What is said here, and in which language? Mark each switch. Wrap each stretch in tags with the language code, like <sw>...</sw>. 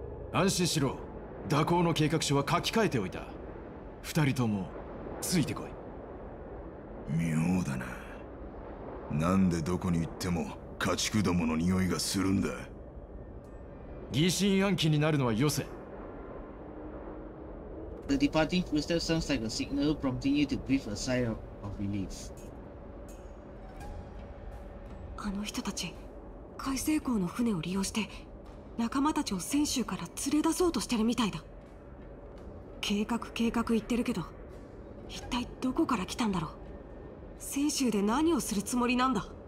<ja>安心しろ、蛇行の計画書は書き換えておいた。二人ともついてこい。妙だな、なんでどこに行っても家畜どもの匂いがするんだ。疑心暗鬼になるのはよせ。</ja> <en>The departing footstep sounds like a signal prompting you to breathe a sigh of relief.</en> <ja>あの人たち、海星港の船を利用して仲間たちを泉州から連れ出そうとしてるみたいだ。計画言ってるけど、一体どこから来たんだろう。泉州で何をするつもりなんだ。</ja>